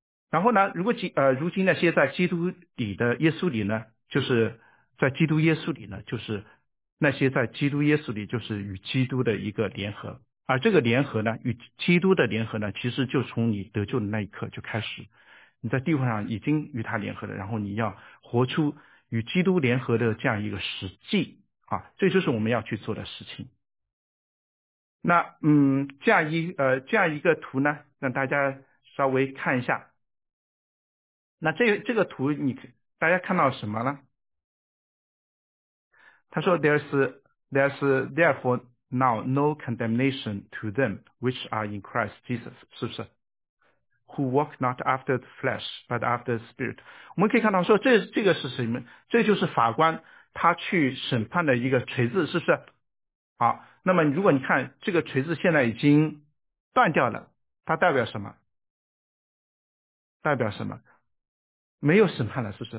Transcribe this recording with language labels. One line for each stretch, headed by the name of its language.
Chinese: 然后呢，如今那些在基督里的耶稣里呢，就是在基督耶稣里呢，就是那些在基督耶稣里就是与基督的一个联合，而这个联合呢，与基督的联合呢，其实就从你得救的那一刻就开始，你在地方上已经与他联合了，然后你要活出与基督联合的这样一个实际啊，这就是我们要去做的事情。那这样一个图呢，让大家稍微看一下。那这个图你大家看到什么呢？他说
English: there's therefore now no condemnation to them which are in Christ Jesus,
Chinese: 是不是？
English: Who walk not after the flesh, but after the spirit.
Chinese: 我们可以看到说这个是什么？这就是法官他去审判的一个锤子，是不是？好，那么如果你看这个锤子现在已经断掉了，它代表什么？代表什么？没有审判了，是不是？